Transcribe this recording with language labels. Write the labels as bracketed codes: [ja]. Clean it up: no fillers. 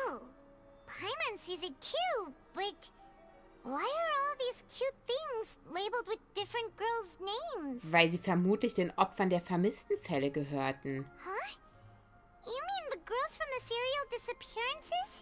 [en] Oh, Paimon sees it too, but why are all these cute things labeled with different girls' names? [de] Weil sie vermutlich den Opfern der Vermisstenfälle gehörten. Huh? [en] You mean the girls from the serial disappearances?